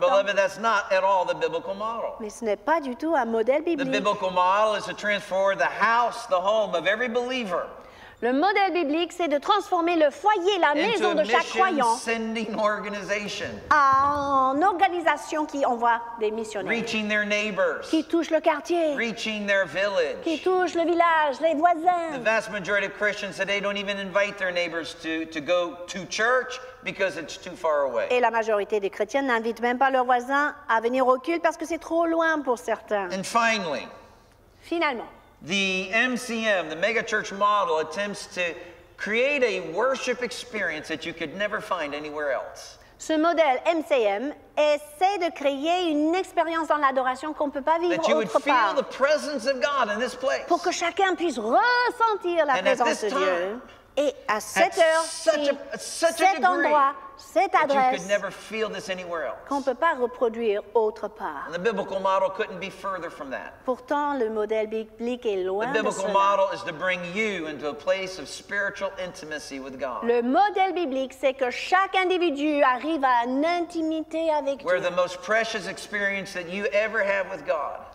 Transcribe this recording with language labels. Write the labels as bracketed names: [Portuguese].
[English] Beloved, that's not at all the biblical model. [French] Mais ce n'est pas du tout un modèle biblique. [English] The biblical model is to transform the house, the home of every believer. [French] Le modèle biblique, c'est de transformer le foyer, la maison de chaque croyant en organisation qui envoie des missionnaires, [English] reaching their neighbors, [French] qui touche le quartier, [English] reaching their village, [French] qui touche le village, les voisins. [English] The vast majority of Christians today don't even invite their neighbors to go to church because it's too far away. [French] Et la majorité des chrétiens n'invitent même pas leurs voisins à venir au culte parce que c'est trop loin pour certains. [English] And finally, [French] finalement, [English] the MCM, the mega church model, attempts to create a worship experience that you could never find anywhere else. [French] Ce modèle MCM essaie de créer une expérience dans l'adoration qu'on ne peut pas vivre autre part. [English] That you would feel the presence of God in this place. [French] Pour que chacun puisse ressentir la présence de Dieu. Et à cette heure, cet endroit, cette adresse, [English] that you could never feel this anywhere else. [French] Qu'on ne peut pas reproduire autre part. [English] And the biblical model couldn't be further from that. [French] Pourtant, le modèle biblique est loin de cela. [English] The biblical model is to bring you into a place of spiritual intimacy with God. [French] Le modèle biblique, c'est que chaque individu arrive à une intimité avec Dieu. [English] Where the most precious experience that you ever have with God.